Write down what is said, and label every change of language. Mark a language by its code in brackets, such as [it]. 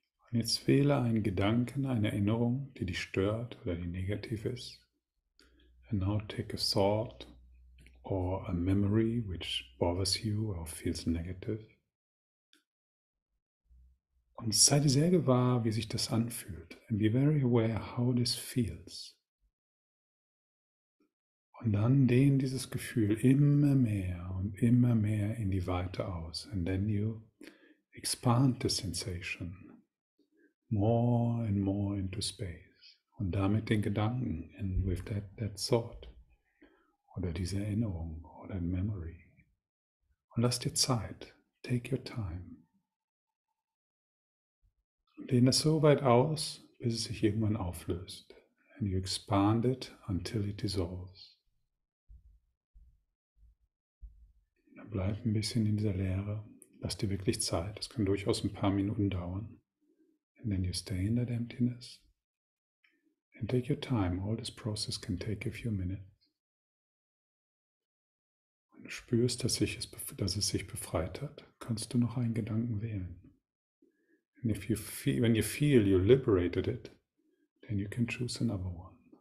[de] Jetzt wähle einen Gedanken, eine Erinnerung, die dich stört oder die negativ ist. [en] And now take a thought or a memory which bothers you or feels negative. [de] Und sei dir sehr gewahr, wie sich das anfühlt. [en] And be very aware how this feels. [de] Und dann dehne dieses Gefühl immer mehr und immer mehr in die Weite aus. [en] And then you expand the sensation. More and more into space. [de] Und damit den Gedanken. [en] And with that thought. [de] Oder diese Erinnerung. Oder [en] memory. [de] Und lass dir Zeit. [en] Take your time. [de] Und dehne es so weit aus, bis es sich irgendwann auflöst. [en] And you expand it until it dissolves. [de] Und dann bleib ein bisschen in dieser Leere. Lass dir wirklich Zeit. Das kann durchaus ein paar Minuten dauern. [en] And then you stay in that emptiness and take your time. All this process can take a few minutes. [de] Und du spürst, dass es sich befreit hat, kannst du noch einen Gedanken wählen. [en] And if you feel, when you feel you liberated it, then you can choose another one.